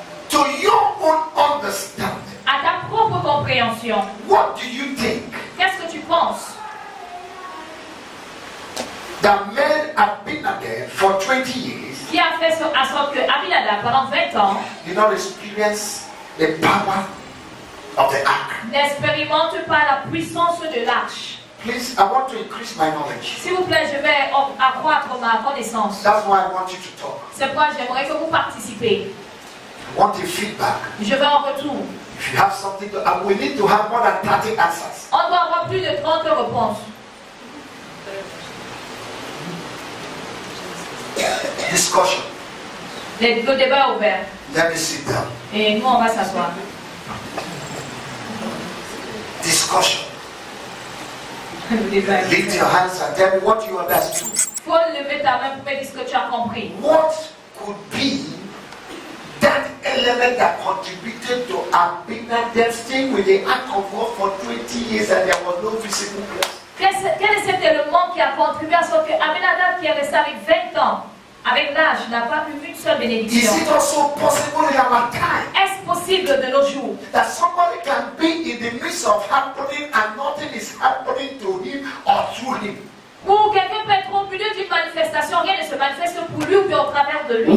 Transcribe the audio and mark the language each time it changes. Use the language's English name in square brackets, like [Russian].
[English] To your own understanding. [French] À ta propre compréhension. [English] What do you think? [French] Qu'est-ce que tu penses? [English] That made Abinadab for 20 years. [French] Qui a fait en sorte que Abinadab pendant 20 ans. [English] Did not experience the power of the ark. [French] N'expérimente pas la puissance de l'arche. [English] Please, I want to increase my knowledge. [French] S'il vous plaît, je vais accroître ma connaissance. [English] That's why I want you to talk. [French] C'est pourquoi j'aimerais que vous participiez. [English] Want a feedback. [French] Je veux un retour. [English] If you have something to, we need to have more than 30 answers. [French] On doit avoir plus de 30 réponses. [English] Discussion. [French] Le débat est ouvert. [English] Let me sit down. [French] Et nous on va s'asseoir. [English] Discussion. [French] Le débat. [English] Lift your hands and tell me what you understood. [French] Faut lever ta main pour me dire ce que tu as compris. [English] What could be that element that contributed to Abinadab staying with the ark of God for 20 years and there was no visible place. [French] Quel est cet élément qui a contribué à ce que Abinadab qui est resté avec 20 ans, avec l'âge, n'a pas eu une seule bénédiction? [English] Is it also possible in our time? [French] Est-ce possible de nos jours? [English] That somebody can be in the midst of happening and nothing is happening to him or through him. [French] Ou quelqu'un peut être au milieu d'une manifestation, rien ne se manifeste pour lui ou bien au travers de lui.